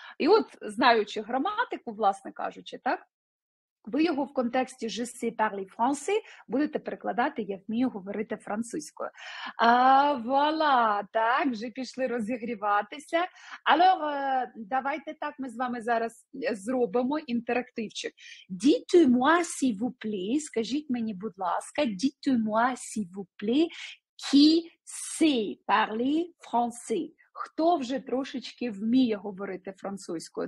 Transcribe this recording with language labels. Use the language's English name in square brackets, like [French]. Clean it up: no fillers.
[Ukrainian] І от, знаючи граматику, власне кажучи, так, ви його в контексті [French] «je sais parler français» [Ukrainian] будете перекладати «я вмію говорити французькою». А, voilà, так, вже пішли розігріватися. Alors, давайте так ми з вами зараз зробимо інтерактивчик. [French] «Dites-moi, s'il vous plaît», [Ukrainian] скажіть мені, будь ласка, [French] «dites-moi, s'il vous plaît, qui sait parler français?» [Ukrainian] Хто вже трошечки вміє говорити французькою?